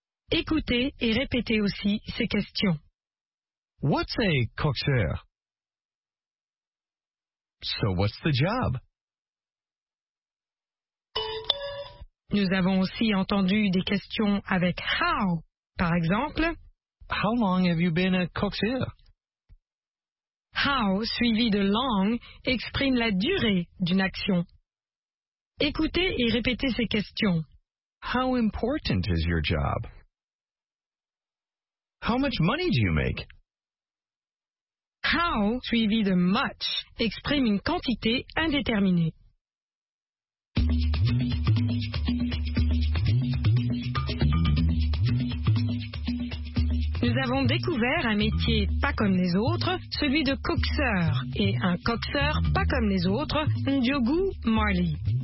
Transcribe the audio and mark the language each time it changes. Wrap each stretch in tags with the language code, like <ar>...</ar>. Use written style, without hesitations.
<fr>Écoutez et répétez aussi ces questions.</fr> <en>What's a coxer? So what's the job?</en> <fr>Nous avons aussi entendu des questions avec how. Par exemple,</fr> <en>how long have you been a coxer?</en> <fr>How, suivi de long, exprime la durée d'une action. Écoutez et répétez ces questions.</fr> <en>How important is your job? How much money do you make?</en> <fr>How, suivi de much, exprime une quantité indéterminée. Nous avons découvert un métier pas comme les autres, celui de coxeur, et un coxeur pas comme les autres, Ndiogou Marley.</fr>